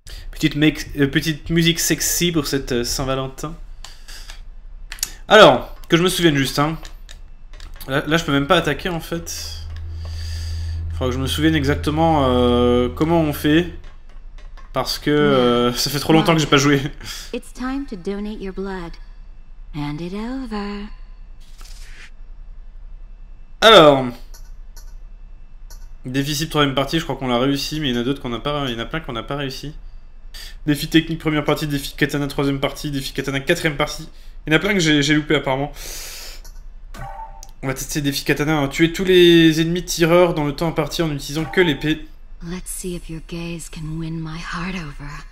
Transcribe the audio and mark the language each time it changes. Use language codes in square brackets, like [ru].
[fr] Petite musique sexy pour cette Saint-Valentin. Alors, que je me souvienne juste, Là, je peux même pas attaquer, en fait. Il faudra que je me souvienne exactement comment on fait. Parce que ça fait trop longtemps que j'ai pas joué. [en] It's time to donate your blood. Hand it over. [fr] Alors. Déficit troisième partie, je crois qu'on l'a réussi, mais il y en a d'autres qu'on a pas, il y en a plein qu'on n'a pas réussi. Défi technique première partie, défi katana troisième partie, défi katana quatrième partie. Il y en a plein que j'ai loupé apparemment. On va tester des katana. Tuer tous les ennemis tireurs dans le temps imparti en n'utilisant que l'épée. [en] Let's see if your gaze can win my heart over.